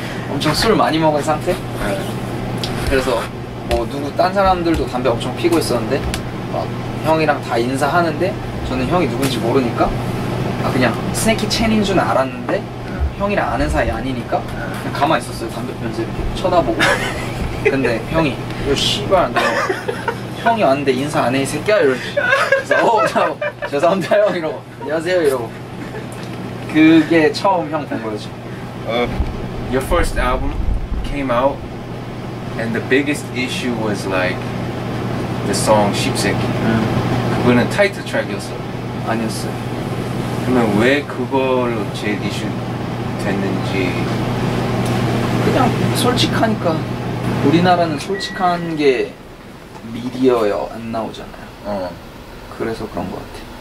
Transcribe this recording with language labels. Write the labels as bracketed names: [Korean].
[Korean] 엄청 술 많이 먹은 상태 그래서 뭐 누구 딴 사람들도 담배 엄청 피고 있었는데 막 형이랑 다 인사하는데 저는 형이 누군지 모르니까 아 그냥 스네키 체인인 줄 알았는데 형이랑 아는 사이 아니니까 그냥 가만히 있었어요 담배 피면서 이렇게 쳐다보고 근데 형이 요 씨발 너 형이 왔는데 인사 안 해 이 새끼야 이러지 그래서 죄송합니다 형 이러고 안녕하세요 이러고 그게 처음 형 본 거였죠 [English] Your first album came out and the biggest issue was like The song 10세기. [Korean] 그거는 타이틀 트랙이었어? 아니었어. 그러면 왜 그걸로 제일 이슈 됐는지? 그냥 솔직하니까. 우리나라는 솔직한 게 미디어에 안 나오잖아요. 어. 그래서 그런 것 같아.